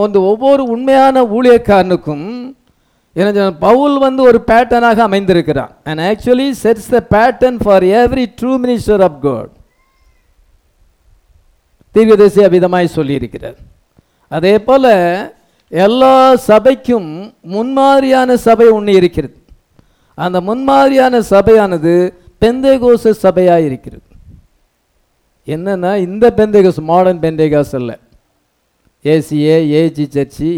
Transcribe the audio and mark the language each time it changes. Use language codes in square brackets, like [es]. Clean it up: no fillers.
[ta] ஒவ்வொரு உண்மையான ஊழியக்காரனுக்கும் என்ன, பவுல் வந்து ஒரு பேட்டர்னாக அமைந்திருக்கிறான். [en] And actually sets the pattern for every true minister of God. [ta] தீர்க்கதரிசி அவிதமாய் சொல்லியிருக்கிறார். அதே போல எல்லா சபைக்கும் முன்மாதிரியான சபை ஒன்று இருக்கிறது. அந்த முன்மாதிரியான சபையானது பெந்தேகோஸ் சபையாக இருக்கிறது. என்னென்னா இந்த பெந்தேகோஸ், மாடர்ன் பெந்தேகோஸ் இல்லை, ஏசிஏ ஏஜி சர்ச்சி.